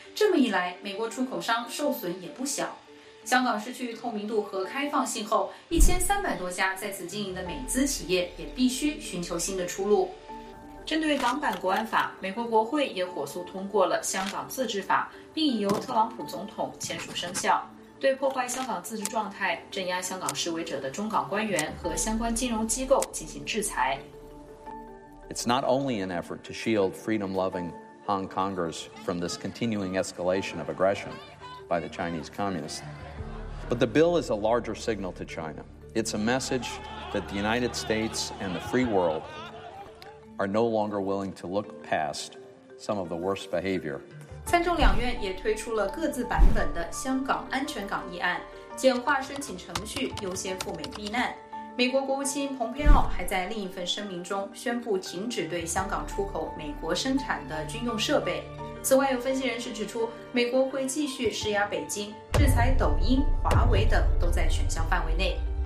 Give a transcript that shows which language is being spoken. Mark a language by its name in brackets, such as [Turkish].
[Chinese] 这么一来，美国出口商受损也不小。香港失去透明度和开放性后，1300多家在此经营的美资企业也必须寻求新的出路。针对港版国安法，美国国会也火速通过了香港自治法，并已由特朗普总统签署生效。对破坏香港自治状态、镇压香港示威者的中港官员和相关金融机构进行制裁。 [English] It's not only an effort to shield freedom-loving Hong Kongers from this continuing escalation of aggression by the Chinese communists, but the bill is a larger signal to China. It's a message that the United States and the free world are no longer willing to look past some of the worst behavior. [Chinese] 参众两院也推出了各自版本的香港安全港议案，简化申请程序，优先赴美避难。美国国务卿蓬佩奥还在另一份声明中宣布停止对香港出口美国生产的军用设备。此外，有分析人士指出，美国会继续施压北京，制裁抖音、华为等都在选项范围内。